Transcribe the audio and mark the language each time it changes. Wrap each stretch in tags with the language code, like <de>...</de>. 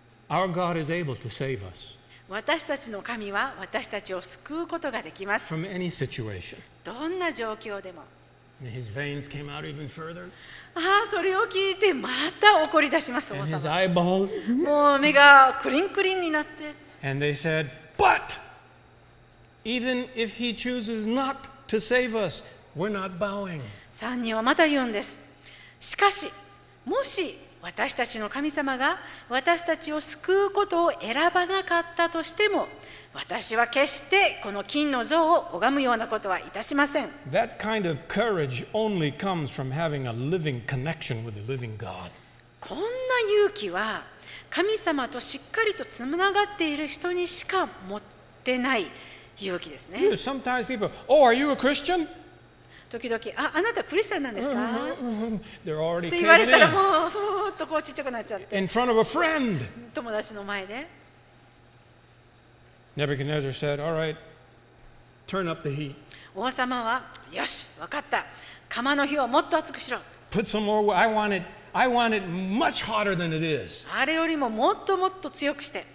<en>Our God is able to save us.</en> <ja>私たちの神は私たちを救うことができます。</ja> <en>From any situation.</en> <ja>どんな状況でも。</ja> <en>His veins came out even further.</en> <ja>ああ、それを聞いてまた怒り出します、王様。</ja> <en>And his eyeballs...</en> <ja>もう目がクリンクリンになって。</ja> <en>And they said, but even if he chooses not to save us, we're not bowing.</en> <ja>3人はまた言うんです。しかし、もし私たちの神様が私たちを救うことを選ばなかったとしても、私は決してこの金の像を拝むようなことはいたしません。</ja> <en>That kind of courage only comes from having a living connection with the living God.</en> <ja>こんな勇気は神様としっかりとつながっている人にしか持ってない勇気ですね。</ja> <en>You know, sometimes people, oh, are you a Christian?</en> <ja>時々 あなたクリスチャンなんですか、うんうんうん、って言われたらもうふーっとこうちっちゃくなっちゃって</ja> <en>In front of a friend.</en> <ja>友達の前で</ja> <en>Nebuchadnezzar said, All right, turn up the heat.</en> <ja>王様はよし分かった釜の火をもっと熱くしろ</ja> <en>Put some more water. I want it much hotter than it is.</en> <ja>あれよりももっともっと強くして</ja>